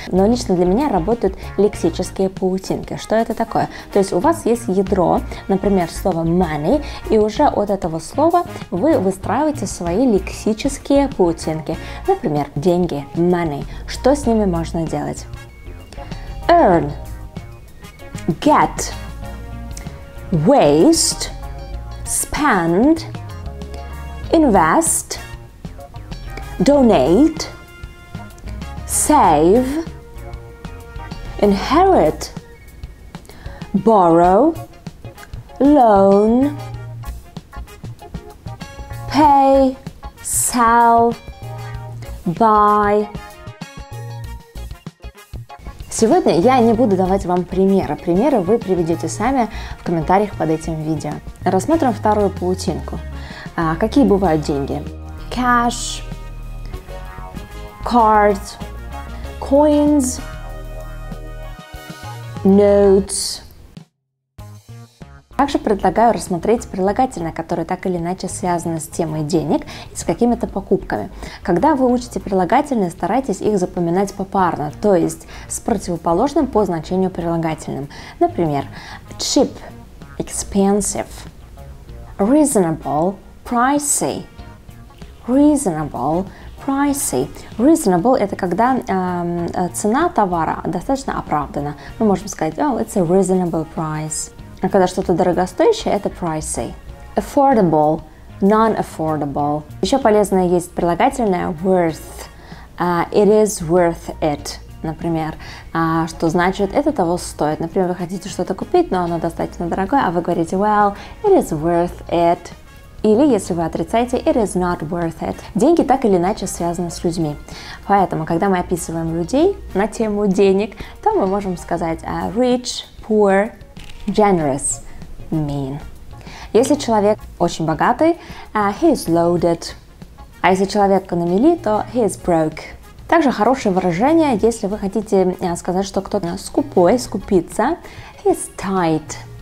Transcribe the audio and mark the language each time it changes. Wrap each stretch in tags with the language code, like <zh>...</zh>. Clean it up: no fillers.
<ru>Но лично для меня работают лексические паутинки. Что это такое? То есть у вас есть ядро, например, слово money, и уже от этого слова вы выстраиваете свои лексические паутинки. Например, деньги, money. Что с ними можно делать? Earn.</ru> <en>Get, waste, spend, invest, donate, save, inherit, borrow, loan, pay, sell, buy.</en> <ru>Сегодня я не буду давать вам примеры. Примеры вы приведете сами в комментариях под этим видео. Рассмотрим вторую паутинку. Какие бывают деньги?</ru> <en>Cash, cards, coins, notes.</en> <ru>Также предлагаю рассмотреть прилагательные, которые так или иначе связаны с темой денег и с какими-то покупками. Когда вы учите прилагательные, старайтесь их запоминать попарно, то есть с противоположным по значению прилагательным. Например,</ru> <en>cheap – expensive, reasonable – pricey, reasonable – pricey.</en> <ru>Reasonable – это когда цена товара достаточно оправдана. Мы можем сказать</ru> <en>«oh, it's a reasonable price».</en> <ru>А когда что-то дорогостоящее, это pricey.</ru> <en>Affordable, non-affordable.</en> <ru>Еще полезное есть прилагательное worth.</ru> <en>It is worth it,</en> <ru>например. Что значит, это того стоит. Например, вы хотите что-то купить, но оно достаточно дорогое, а вы говорите,</ru> <en>well, it is worth it.</en> <ru>Или, если вы отрицаете,</ru> <en>it is not worth it.</en> <ru>Деньги так или иначе связаны с людьми. Поэтому, когда мы описываем людей на тему денег, то мы можем сказать</ru> <en>rich, poor, generous, mean.</en> <ru>Если человек очень богатый,</ru> <en>he is loaded.</en> <ru>А если человек на мели, то</ru> <en>he is broke.</en> <ru>Также хорошее выражение, если вы хотите сказать, что кто-то скупой, скупится,</ru> <en>he is tight.</en>